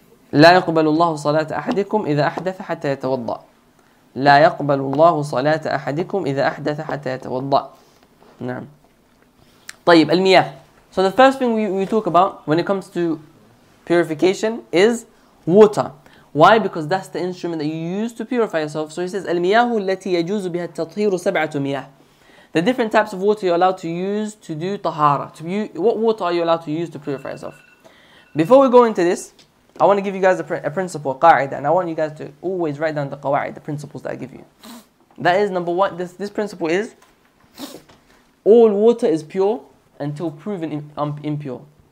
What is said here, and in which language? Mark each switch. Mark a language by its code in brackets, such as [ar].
[ar] لا يقبل الله صلاة أحدكم إذا أحدث حتى يتوضأ. لا يقبل الله صلاة أحدكم إذا أحدث حتى يتوضأ. نعم. طيب المياه. [en] So the first thing we talk about when it comes to purification is water. Why? Because that's the instrument that you use to purify yourself. So he says, [ar] المياه التي يجوز بها التطهير سبعة مياه. [en] The different types of water you're allowed to use to do tahara. What water are you allowed to use to purify yourself? Before we go into this, I want to give you guys a principle, qa'ida, and I want you guys to always write down the qa'id, the principles that I give you. That is number one. This principle is, all water is pure until proven impure.